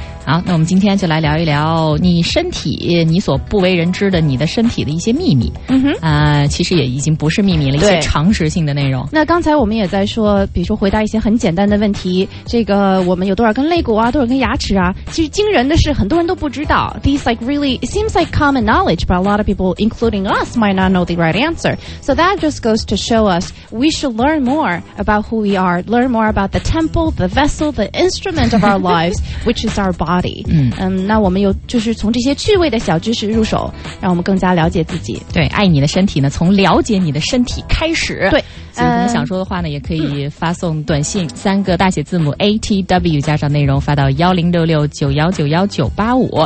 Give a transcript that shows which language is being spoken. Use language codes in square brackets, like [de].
[zh] 好，那我们今天就来聊一聊你身体，你所不为人知的你的身体的一些秘密。嗯哼，其实也已经不是秘密了，一些常识性的内容。那刚才我们也在说，比如说回答一些很简单的问题，这个我们有多少根肋骨啊，多少根牙齿啊？其实惊人的是，很多人都不知道。 [en] These like really it seems like common knowledge, but a lot of people, including us, might not know the right answer. So that just goes to show us we should learn more about who we are, learn more about the temple, the vessel, the instrument of our lives, which is our body. body。 [zh] 那我们又就是从这些趣味的小知识入手，让我们更加了解自己。对，爱你的身体呢，从了解你的身体开始。对，所以你们想说的话呢，也可以发送短信三个大写字母 ATW 加上内容发到10669191985。